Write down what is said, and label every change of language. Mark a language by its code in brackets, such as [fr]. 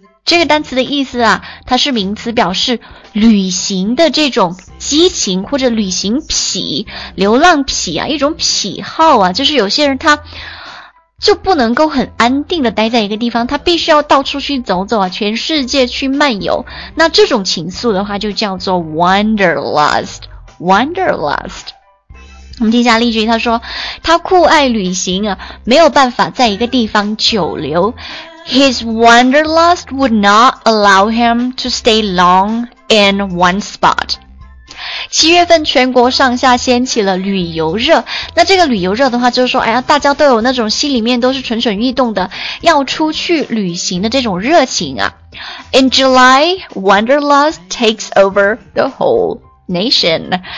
[zh] 这个单词的意思啊，它是名词，表示旅行的这种激情，或者旅行癖，流浪癖啊，一种癖好啊，就是有些人他就不能够很安定的待在一个地方，他必须要到处去走走啊，全世界去漫游。那这种情愫的话就叫做 wanderlust， wanderlust。我们听一下例句，他说他酷爱旅行啊，没有办法在一个地方久留。 [en] His wanderlust would not allow him to stay long in one spot。 [zh] 七月份全国上下掀起了旅游热，那这个旅游热的话就是说，哎呀，大家都有那种心里面都是蠢蠢欲动的要出去旅行的这种热情啊。 [en] In July, wanderlust takes over the whole nation。